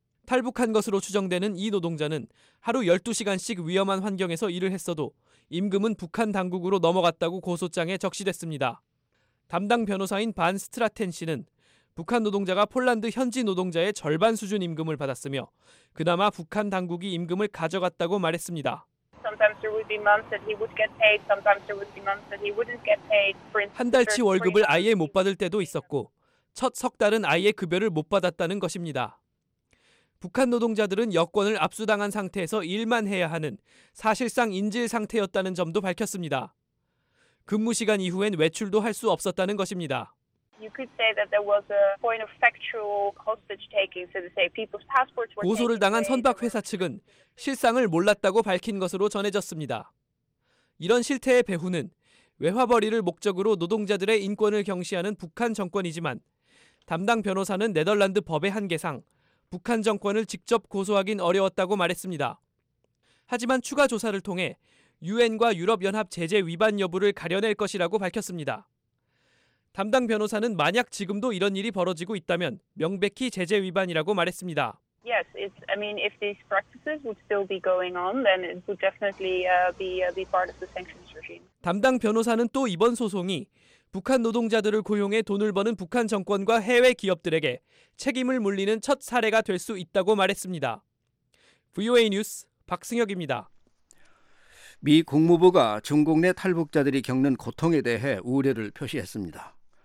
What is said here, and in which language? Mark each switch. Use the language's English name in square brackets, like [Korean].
[Korean] 탈북한 것으로 추정되는 이 노동자는 하루 12시간씩 위험한 환경에서 일을 했어도 임금은 북한 당국으로 넘어갔다고 고소장에 적시됐습니다. 담당 변호사인 반 스트라텐 씨는 북한 노동자가 폴란드 현지 노동자의 절반 수준 임금을 받았으며 그나마 북한 당국이 임금을 가져갔다고 말했습니다. [English] Sometimes there would be months that he would get paid. Sometimes there would be months that he wouldn't get paid. [Korean] 한 달치 월급을 아예 못 받을 때도 있었고 첫 석 달은 아예 급여를 못 받았다는 것입니다. 북한 노동자들은 여권을 압수당한 상태에서 일만 해야 하는 사실상 인질 상태였다는 점도 밝혔습니다. 근무 시간 이후엔 외출도 할 수 없었다는 것입니다. [English] You could say that there was a point of factual hostage taking, so to say, people's passports were. [Korean] 고소를 당한 선박 회사 측은 실상을 몰랐다고 밝힌 것으로 전해졌습니다. 이런 실태의 배후는 외화 벌이를 목적으로 노동자들의 인권을 경시하는 북한 정권이지만 담당 변호사는 네덜란드 법의 한계상 북한 정권을 직접 고소하긴 어려웠다고 말했습니다. 하지만 추가 조사를 통해 유엔과 유럽연합 제재 위반 여부를 가려낼 것이라고 밝혔습니다. 담당 변호사는 만약 지금도 이런 일이 벌어지고 있다면 명백히 제재 위반이라고 말했습니다. [English] Yes, it's. I mean, if these practices would still be going on, then it would definitely be part of the sanctions regime. [Korean] 담당 변호사는 또 이번 소송이 북한 노동자들을 고용해 돈을 버는 북한 정권과 해외 기업들에게 책임을 물리는 첫 사례가 될 수 있다고 말했습니다. VOA 뉴스 박승혁입니다. 미 국무부가 중국 내 탈북자들이 겪는 고통에 대해 우려를 표시했습니다.